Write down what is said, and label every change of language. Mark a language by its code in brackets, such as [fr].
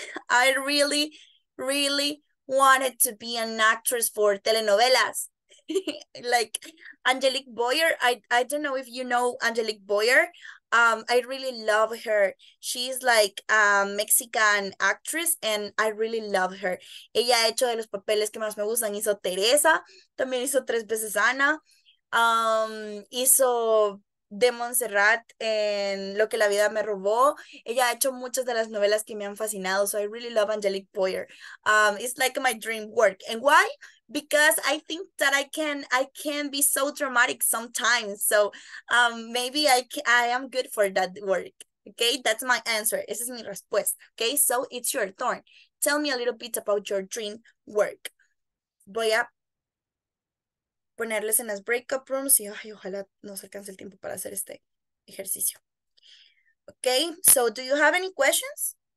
[en] I really, really wanted to be an actress for telenovelas. Like Angelique Boyer. I don't know if you know Angelique Boyer. I really love her. She's like a Mexican actress and I really love her. [es] Ella ha hecho de los papeles que más me gustan. Hizo Teresa, también hizo Tres veces Ana. Hizo de Montserrat en Lo que la vida me robó. Ella ha hecho muchas de las novelas que me han fascinado. [en] So I really love Angelique Boyer. It's like my dream work. And why? Because I think that I can be so dramatic sometimes. So maybe I am good for that work. Okay, that's my answer. [es] Esa es mi respuesta. [en] Okay, so it's your turn. Tell me a little bit about your dream work. [es] Voy a ponerles en las breakout rooms y ay, ojalá nos alcance el tiempo para hacer este. [en] ejercicio. Okay, so do you have any questions?